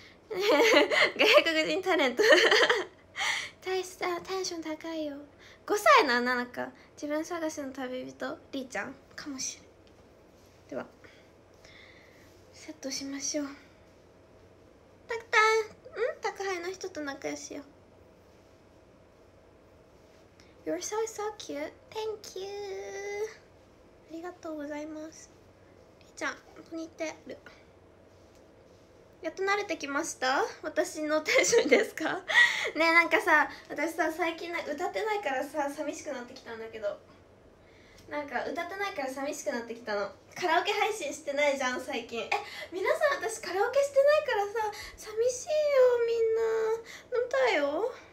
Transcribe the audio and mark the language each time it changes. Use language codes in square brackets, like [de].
[ja] 外国人タレント大したテンション高いよ。 5歳のアナナか、自分探しの旅人リーちゃんかもしれん。ではセットしましょう。タクタン、ん、宅配の人と仲良しよ。 [en] You're so so cute. Thank you. [ja] ありがとうございます。ちゃん、ポニーテール。やっと慣れてきました？私のテンションですか？ねえ、なんかさ、私さ、最近歌ってないからさ、寂しくなってきたんだけど。なんか歌ってないから寂しくなってきたの。カラオケ配信してないじゃん最近。え、皆さん、私カラオケしてないからさ、寂しいよ、みんな飲みたいよ。